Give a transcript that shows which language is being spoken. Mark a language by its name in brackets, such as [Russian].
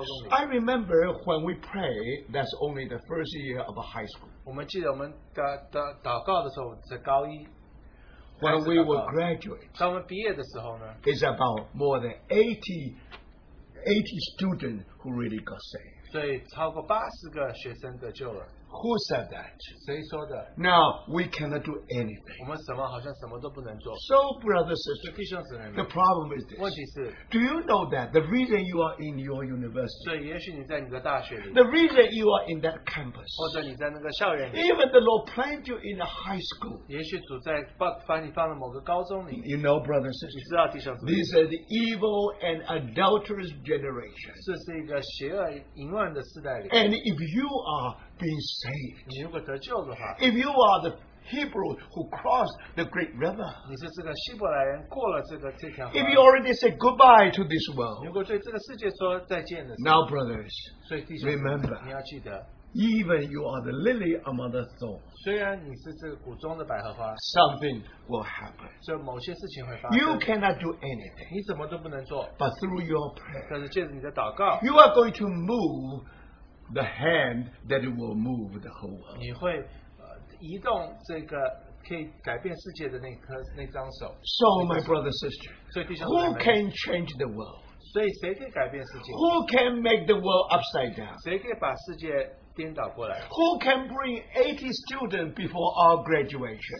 [English] I remember when we pray, that's only the first year of a high school. [Chinese] 我们记得我们祷告的时候是高一. [English] When we will graduate, [Chinese] 当我们毕业的时候呢, [English] it's about more than 80 students who really got saved. [Chinese] 所以超过80个学生得救了. [English] Who said that? [Chinese] 谁说的? [English] Now, we cannot do anything. [Chinese] 我们什么好像什么都不能做. [English] So, brothers and sisters, the problem is this. [Chinese] 问题是, [English] do you know that the reason you are in your university, [Chinese] 所以也许你在你的大学里, [English] the reason you are in that campus, [Chinese] 或者你在那个校园里, [English] even the Lord planted you in a high school, [Chinese] 也许主在把你放在某个高中里, [English] you know, brothers and sisters, [Chinese] 你知道弟兄姊妹, [English] these are the evil and adulterous generation. [Chinese] 这是一个邪恶淫乱的世代里, [English] and if you are being saved, [Chinese] 你如果得救的话, [English] if you are the Hebrew who crossed the great river, [Chinese] 你是这个希伯来人过了这个这条河, [English] if you already said goodbye to this world, [Chinese] 如果对这个世界说再见的时候, [English] now brothers, [Chinese] 所以弟兄, [English] remember, [Chinese] 你要记得, [English] even you are the lily among the thorns, [Chinese] 虽然你是这个谷中的百合花, [English] something will happen. [Chinese] 所以某些事情会发生, [English] you cannot do anything, [Chinese] 你怎么都不能做, [English] but through your prayer, [Chinese] 但是借着你的祷告, [English] you are going to move the hand that will move the whole world. [Chinese] 你会, 移动这个可以改变世界的那颗那张手, [English] so, my brother, sister, [Chinese] 所以弟兄姊妹, [English] who can change the world? [Chinese] 所以谁可以改变世界? [English] Who can make the world upside down? [Chinese] 谁可以把世界颠倒过来? [English] Who can bring 80 students before our graduation?